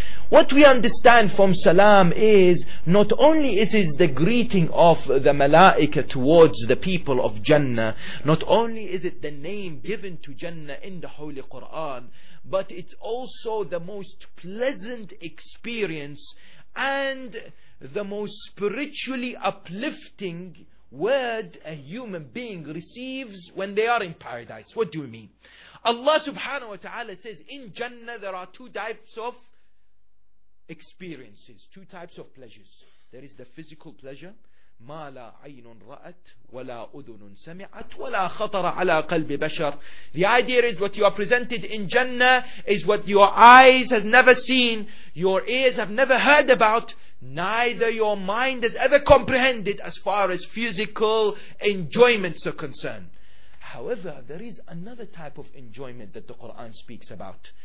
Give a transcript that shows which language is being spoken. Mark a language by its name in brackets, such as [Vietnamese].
[English] What we understand from salam is not only it is the greeting of the malaika towards the people of Jannah, not only is it the name given to Jannah in the Holy Quran, but it's also the most pleasant experience and the most spiritually uplifting word a human being receives when they are in paradise. What do you mean? Allah subhanahu wa ta'ala says in Jannah there are two types of experiences, two types of pleasures. There is the physical pleasure. [Arabic] ما لا عين رأت ولا أذن سمعت ولا خطر على قلب بشر. [English] The idea is what you are presented in Jannah is what your eyes have never seen, your ears have never heard about, neither your mind has ever comprehended as far as physical enjoyments are concerned. However, there is another type of enjoyment that the Quran speaks about.